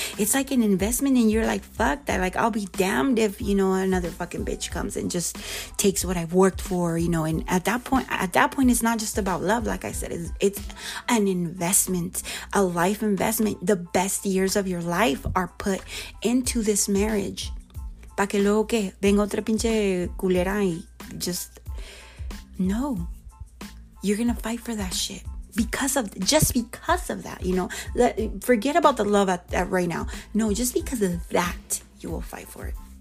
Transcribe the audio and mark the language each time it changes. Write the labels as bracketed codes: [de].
[en] It's like an investment, and you're like, fuck that. Like, I'll be damned if, you know, another fucking bitch comes and just takes what I've worked for, you know. And at that point, it's not just about love. Like I said, it's an investment, a life investment. The best years of your life are put into this marriage. [es] Pa que luego que venga otra pinche culera y [en] just no. You're gonna fight for that shit because of that, you know. Forget about the love at right now. No, just because of that, you will fight for it.